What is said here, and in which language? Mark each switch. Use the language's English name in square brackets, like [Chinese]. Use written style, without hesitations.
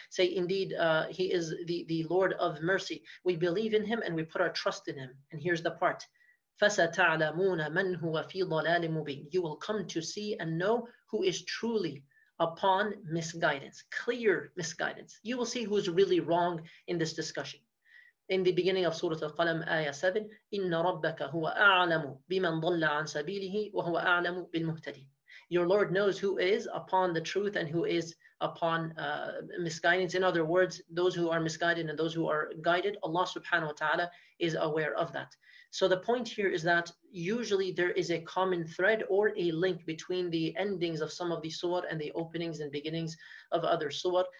[English] Say, indeed, he is the Lord of mercy. We believe in him and we put our trust in him. And here's the part. [Arabic] فَسَتَعْلَمُونَ مَنْ هُوَ فِي ضَلَالٍ مُبِينٍ. [English] You will come to see and know who is truly upon misguidance, clear misguidance. You will see who is really wrong in this discussion. In the beginning of Surah Al-Qalam, Ayah 7, [Arabic] إِنَّ رَبَّكَ هُوَ أَعْلَمُ بِمَنْ ضَلَّ عَنْ سَبِيلِهِ وَهُوَ أَعْلَمُ بِالْمُهْتَدِينَ. [English] your Lord knows who is upon the truth and who is upon misguidance. In other words, those who are misguided and those who are guided, Allah subhanahu wa ta'ala is aware of that. So the point here is that usually there is a common thread or a link between the endings of some of the surah and the openings and beginnings of other surah.